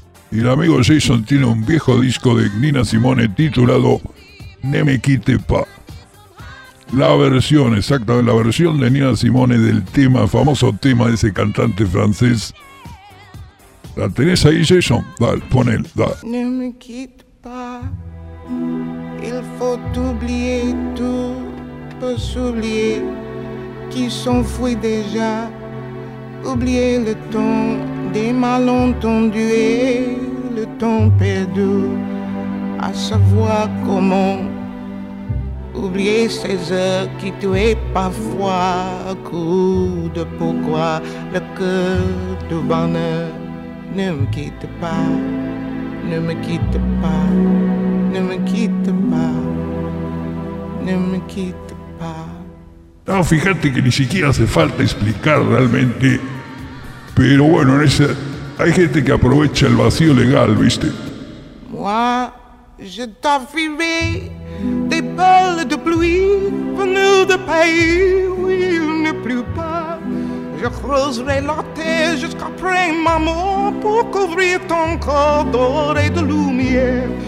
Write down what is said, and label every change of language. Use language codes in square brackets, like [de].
[es] Y el amigo Jason tiene un viejo disco de Nina Simone titulado Nemequitepa. La versión, exacta, la versión de Nina Simone del tema, famoso tema de ese cantante francés. ¿La tenés ahí, Jason? Dale, ponel, dale. [fr] Nemequitepa, il faut oublier tout, pour s'oublier, qui s'enfuit déjà, oublier le temps des malentendus. Le temps perdu à savoir comment oublier ces heures qui tuaient parfois à coup de pourquoi le cœur du bonheur ne me quitte pas, ne me quitte pas, ne me quitte pas, ne me quitte pas. [es] No, fíjate que ni siquiera hace falta explicar realmente, pero bueno, hay gente que aprovecha el vacío legal, ¿viste? [fr] Moi, je t'enfilerai des balles de pluie venues de pays où il ne pleut pas. Je creuserai la terre jusqu'après ma mort pour couvrir ton corps d'or et de lumière.